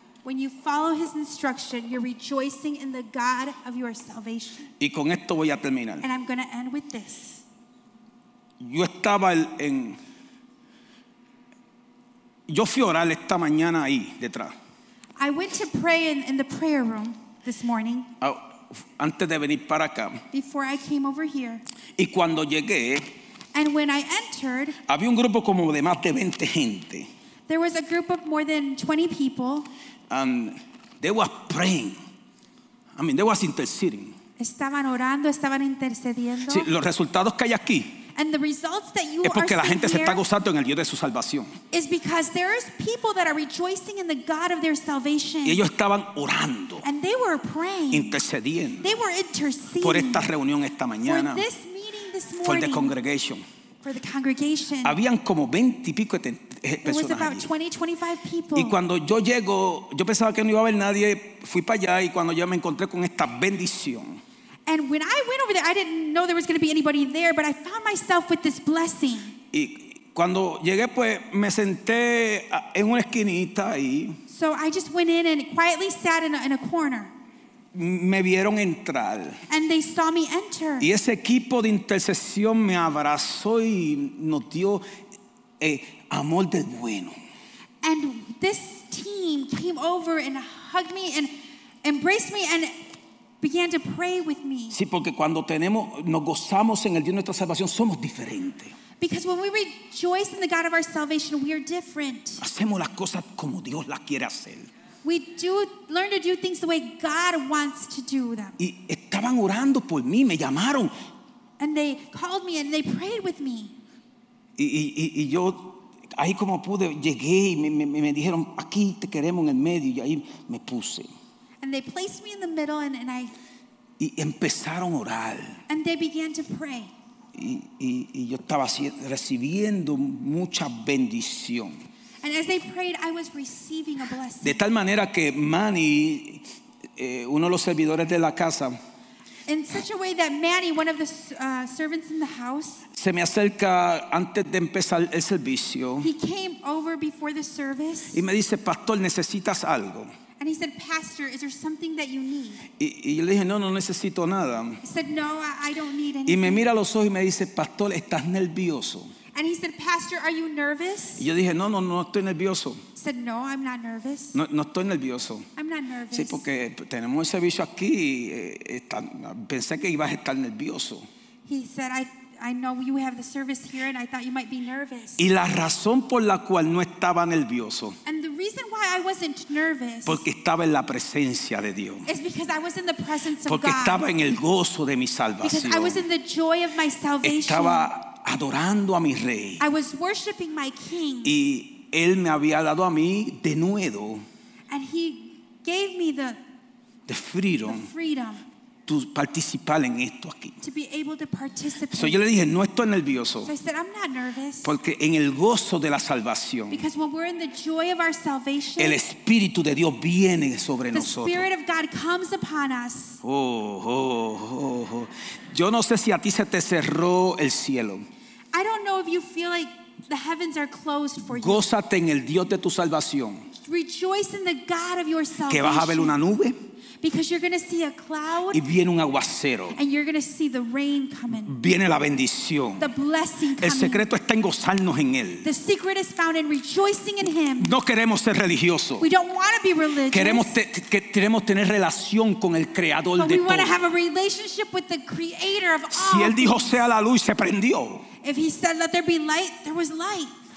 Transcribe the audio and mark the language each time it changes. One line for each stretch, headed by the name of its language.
English: When you follow his instruction, you're rejoicing in the God of your salvation.
Spanish: Y con esto voy a terminar.
English: And I'm going to end with this.
Spanish: Yo estaba en, yo fui a orar esta mañana ahí detrás.
English: I went to pray in the prayer room this morning.
Spanish: Antes de venir para acá.
English: Before I came over here.
Spanish: Y cuando llegué,
English: and when I entered,
Spanish: había un grupo como de más de 20 gente.
English: There was a group of more than 20 people. And they were praying. I mean, they were interceding.
Spanish: Estaban orando, estaban intercediendo. Sí, los resultados que hay aquí.
English: And the results that you
Spanish: es porque
English: are
Spanish: la gente
English: here
Spanish: se está gozando en el Dios de su salvación.
English: Is because there is people that are rejoicing in the God of their salvation.
Spanish: Y ellos estaban orando.
English: And they were praying.
Spanish: Intercediendo.
English: They were interceding.
Spanish: Por esta reunión esta mañana.
English: For this meeting this morning. For the congregation. For the congregation.
Spanish: Habían como 20 y pico de personas.
English: It was about 20, 25 people.
Spanish: Y cuando yo llego, yo pensaba que no iba a haber nadie. Fui para allá y cuando yo me encontré con esta bendición.
English: And when I went over there, I didn't know there was going to be anybody there, but I found myself with this blessing.
Spanish: Y cuando llegué, pues, me senté en una esquinita ahí.
English: So I just went in and quietly sat in a corner.
Spanish: Me vieron entrar.
English: And they saw me enter.
Spanish: Y ese equipo de intercesión me abrazó y nos dio amor del bueno.
English: And this team came over and hugged me and embraced me and began to pray with me.
Spanish: Sí, porque cuando tenemos, nos gozamos en el Dios de nuestra salvación, somos diferentes.
English: Because when we rejoice in the God of our salvation, we are different.
Spanish: Hacemos las cosas como Dios las quiere hacer.
English: We do learn to do things the way God wants to do them.
Spanish: Y estaban orando por mí, me llamaron.
English: And they called me and they prayed with me.
Spanish: Y yo ahí como pude llegué y me dijeron aquí te queremos en el medio y ahí me puse.
English: And they placed me in the middle and I
Spanish: y empezaron a orar.
English: And they began to pray.
Spanish: Y yo estaba así, recibiendo mucha bendición.
English: And as they prayed, I was receiving a blessing.
Spanish: De tal manera que Manny, uno de los servidores de la casa,
English: in such a way that Manny, one of the servants in the house,
Spanish: se me acerca antes de empezar el servicio.
English: He came over before the service.
Spanish: Y me dice, "Pastor, ¿necesitas algo?"
English: And he said, "Pastor, is there something that you need?"
Spanish: Y yo le dije, "No, no necesito nada."
English: He said, "No, I don't need anything."
Spanish: Y me mira a los ojos y me dice, "Pastor, ¿estás nervioso?"
English: And he said, "Pastor, are you nervous?"
Spanish: Y yo dije, "No, estoy nervioso."
English: He said, "No, I'm not nervous."
Spanish: No estoy nervioso.
English: I'm not nervous.
Spanish: Sí, porque tenemos el servicio aquí pensé que ibas a estar nervioso.
English: He said, I know you have the service here and I thought you might be nervous.
Spanish: Y la razón por la cual no estaba nervioso.
English: And the reason why I wasn't nervous.
Spanish: Porque estaba en la presencia de Dios.
English: Is because I was in the presence of God.
Spanish: Porque estaba en el gozo de mi salvación.
English: Because I was in the joy of my salvation.
Spanish: Estaba adorando a mi rey.
English: I was worshiping my king.
Spanish: Y él me había dado a mí de nuevo.
English: And he gave me the freedom. The freedom.
Spanish: Tu participar en esto aquí.
English: To be able to participate.
Spanish: So yo le dije, no estoy nervioso.
English: So I said, I'm not nervous.
Spanish: Porque en el gozo de la salvación.
English: Because when we're in the joy of our salvation.
Spanish: El Espíritu de Dios viene sobre
English: the
Spanish: nosotros.
English: The Spirit of God comes upon us. Oh.
Spanish: Yo no sé si a ti se te cerró el cielo.
English: I don't know if you feel like the heavens are closed for you.
Spanish: Gózate en el Dios de tu salvación.
English: Rejoice in the God of your salvation.
Spanish: Que vas a ver una nube.
English: Because you're going to see a cloud.
Spanish: Y viene un aguacero.
English: And you're going to see the rain coming.
Spanish: Viene la bendición.
English: The blessing coming.
Spanish: El secreto está en gozarnos en él.
English: The secret is found in rejoicing in him.
Spanish: No queremos ser religiosos.
English: We don't want to be religious.
Spanish: Queremos tener relación con el creador todo.
English: But we want to have a relationship with the creator of all.
Spanish: Si él dijo sea la luz, se prendió.
English: If he said let there be light, there was light.